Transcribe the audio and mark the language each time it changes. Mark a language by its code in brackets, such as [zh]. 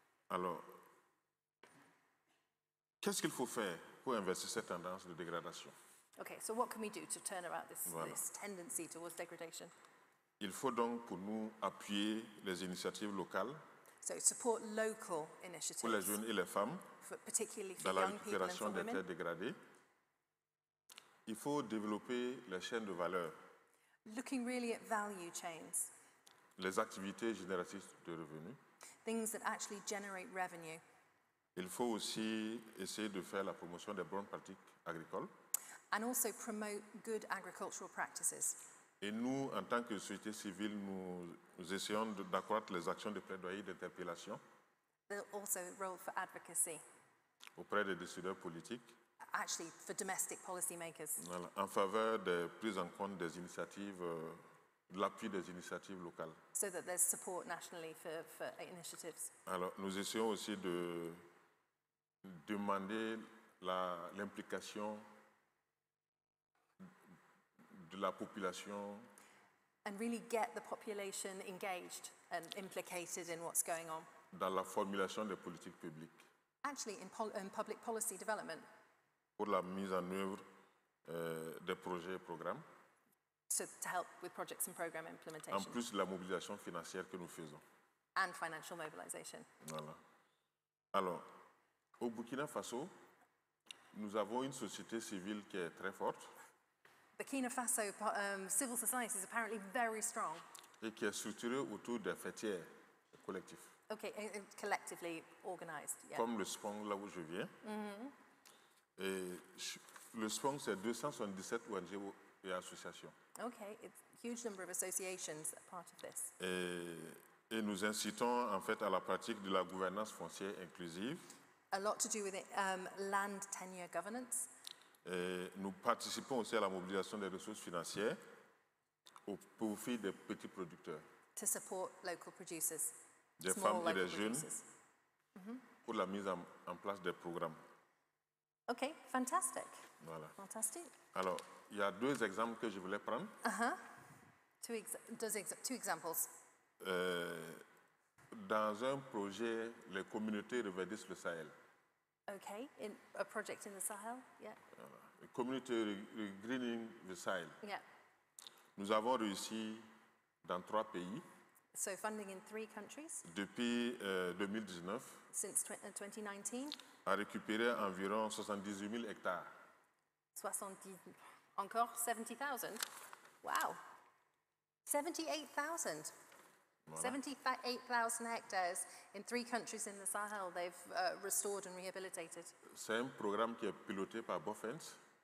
[fr] Alors, qu'est-ce qu'il faut faire pour inverser cette tendance de dégradation? [en] OK, so what can we do to turn around this tendency towards degradation? [fr] Il faut donc pour nous appuyer les initiatives locales. [en] So support local initiatives. [fr] Pour les jeunes et les femmes. [en] Particularly [fr] dans la récupération des terres dégradées. Il faut développer les chaînes de valeur. [en] Looking really at value chains. [fr] Les activités génératrices de revenus. [en] Things that actually generate revenue. [fr] Il faut aussi essayer de faire la promotion des bonnes pratiques agricoles. [en] And also promote good agricultural practices. [fr] Et nous, en tant que société civile, nous essayons d'accroître les actions de plaidoyer d'interpellation. [en] but also a role for advocacy. [fr] Auprès des décideurs politiques. [en] Actually, for domestic policymakers. [fr] Voilà. En faveur de prise en compte des initiatives, l'appui des initiatives locales. [en] So that there's support nationally for initiatives. [fr] Alors, nous essayons aussi de demander l'implication de la population. [en] And really get the population engaged and implicated in what's going on. [fr] Dans la formulation des politiques publiques. [en] Actually, in public policy development. [fr] Pour la mise en œuvre des projets et programmes. [en] So to help with projects and program implementation. [fr] En plus de la mobilisation financière que nous faisons. [en] And financial mobilization. [fr] Voilà. Alors, au Burkina Faso, nous avons une société civile qui est très forte. [en] Burkina Faso civil society is apparently very strong. [fr] Et qui est structurée autour des fêtières collectifs. [en] Okay, collectively organized. Yeah. [fr] Comme le SPONG, là où je viens. Mm-hmm. Et le SPONG, c'est 277 ONG et associations. [en] Okay, it's a huge number of associations that are part of this. [fr] Et nous incitons en fait à la pratique de la gouvernance foncière inclusive. [en] A lot to do with it, land tenure governance. [fr] Et nous participons aussi à la mobilisation des ressources financières au profit des petits producteurs. [en] To support local producers. [fr] Des femmes et des jeunes pour la mise en place des programmes. [en] OK, fantastic. [fr] Voilà. [en] Fantastic. [fr] Alors, il y a deux exemples que je voulais prendre. [en] Two examples. [fr] Dans un projet, les communautés reverdissent le Sahel. [en] OK, in a project in the Sahel, yeah. Community regreening the Sahel. Yeah. [fr] Nous avons réussi dans trois pays. [en] So funding in three countries. [fr] Depuis 2019. [en] Since 2019. [fr] A récupéré environ 78 000 hectares. [en] 70, encore 70,000. Wow. 78,000. [fr] Voilà. [en] 78,000 hectares in three countries in the Sahel they've restored and rehabilitated. [fr] C'est un programme qui est piloté par Boffins.